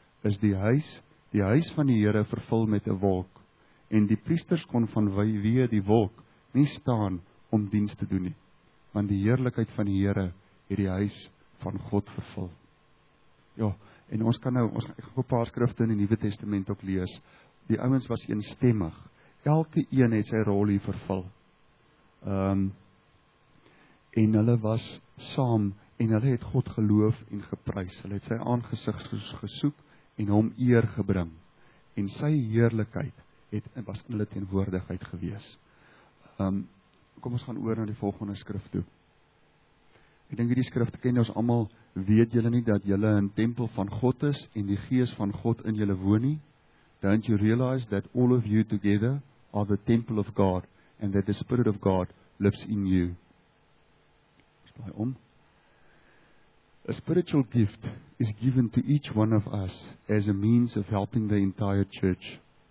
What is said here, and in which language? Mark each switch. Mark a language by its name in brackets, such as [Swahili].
[Afrikaans] is die huis van die Here vervul met 'n wolk, en die priesters kon vanweë die wolk nie staan om diens te doen nie, want die heerlikheid van die Here het die huis van God vervul. Ja, en ons kan nou, ons gaan 'n paar skrifte in die Nuwe Testament ook lees. Die ouens was eenstemmig. Elke een het sy rol hier vervul. En hulle was saam en hulle het God geloof en geprys. Hulle het sy aangesig gesoek en hom eer gebring. En sy heerlikheid het was in hulle teenwoordigheid gewees. Kom ons gaan oor na die volgende skrif toe. Ek dink hierdie skrif ken ons almal. Weet julle nie dat julle in tempel van God is en die gees van God in julle woon nie? [English] Don't you realize that all of you together are the temple of God and that the Spirit of God lives in you? [Afrikaans] Spraai om. [English] A spiritual gift is given to each one of us as a means of helping the entire church.